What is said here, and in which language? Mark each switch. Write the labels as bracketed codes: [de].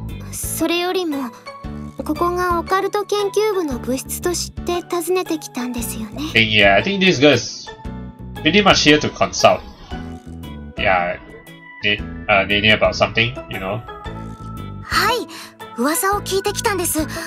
[ja] それよりも, ここがオカルト研究部の部室として訪ねてきたんですよね? [en] I think, yeah, I think this girl is pretty much here to consult. Yeah, Nene about something, you know? [ja] はい、噂を聞いてきたんです。